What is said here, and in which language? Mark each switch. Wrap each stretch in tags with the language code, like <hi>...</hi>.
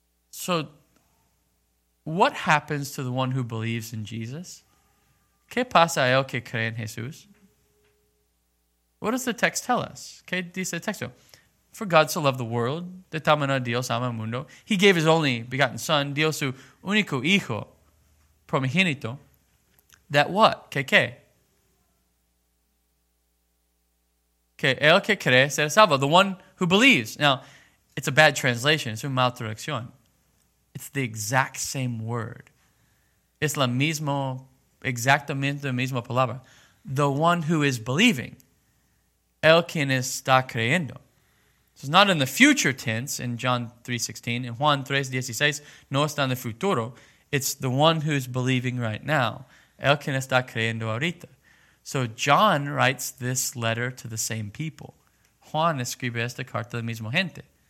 <en>So, what happens to the one who believes in Jesus?</en> <es>¿Qué pasa a él que cree en Jesús?</es> <en>What does the text tell us?</en> <es>¿Qué dice el texto?</es> <en>For God so loved the world,</en> <es>de tal manera Dios ama el mundo.</es> <en>He gave his only begotten son,</en> <es>dio su único hijo, primogénito.</es> <en>That what? ¿Qué?</en> <es>Que el que cree será salvo.</es> <en>The one who believes. Now, it's a bad translation.</en> <es>Es una mal traducción.</es> <en>It's the exact same word.</en> <es>Es la misma, exactamente la misma palabra.</es> <en>The one who is believing.</en> <es>El quien está creyendo.</es> <en>So it's not in the future tense in John 3:16. In Juan 3:16,</en> <es>no está en el futuro.</es> <en>It's the one who's believing right now.</en> <es>El quien está creyendo ahorita.</es> <en>So John writes this letter to the same people.</en> <es>Juan escribe esta carta a la misma gente.</es>